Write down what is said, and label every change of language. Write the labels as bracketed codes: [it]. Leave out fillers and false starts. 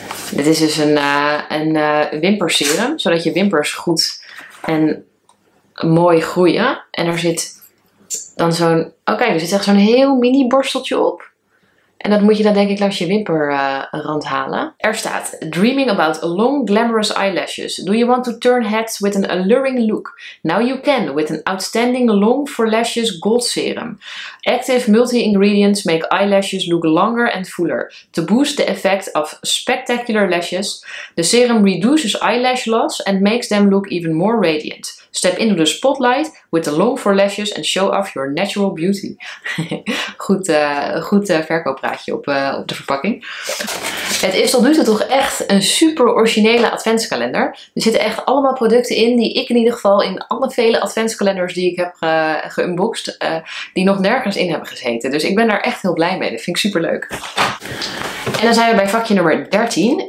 [nl] Dit is dus een wimperserum. Zodat je wimpers goed en mooi groeien. En er zit dan zo'n... Oh kijk, er zit echt zo'n heel mini borsteltje op. En dat moet je dan denk ik langs je wimperrand halen. Er staat... [en] Dreaming about long glamorous eyelashes. Do you want to turn heads with an alluring look? Now you can with an outstanding long for lashes gold serum. Active multi-ingredients make eyelashes look longer and fuller. To boost the effect of spectacular lashes, the serum reduces eyelash loss and makes them look even more radiant. Step into the spotlight with the long for lashes and show off your natural beauty. [nl] Goed verkooppraatje op de verpakking. Het is tot nu toe toch echt een super originele adventskalender. Er zitten echt allemaal producten in die ik in ieder geval in alle vele adventskalenders die ik heb geunboxed, die nog nergens in hebben gezeten. Dus ik ben daar echt heel blij mee. Dat vind ik super leuk. En dan zijn we bij vakje nummer 13.